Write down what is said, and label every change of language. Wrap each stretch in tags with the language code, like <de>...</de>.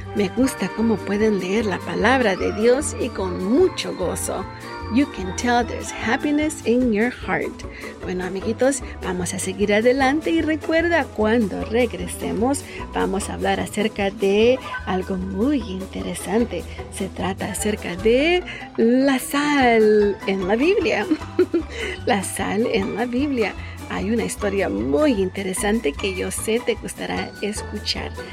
<es>Me gusta cómo pueden leer la palabra de Dios y con mucho gozo.</es> <en>You can tell there's happiness in your heart.</en> <es>Bueno, amiguitos, vamos a seguir adelante y recuerda, cuando regresemos, vamos a hablar acerca de algo muy interesante. Se trata acerca de la sal en la Biblia. La sal en la Biblia. Hay una historia muy interesante que yo sé te gustará escuchar.</es>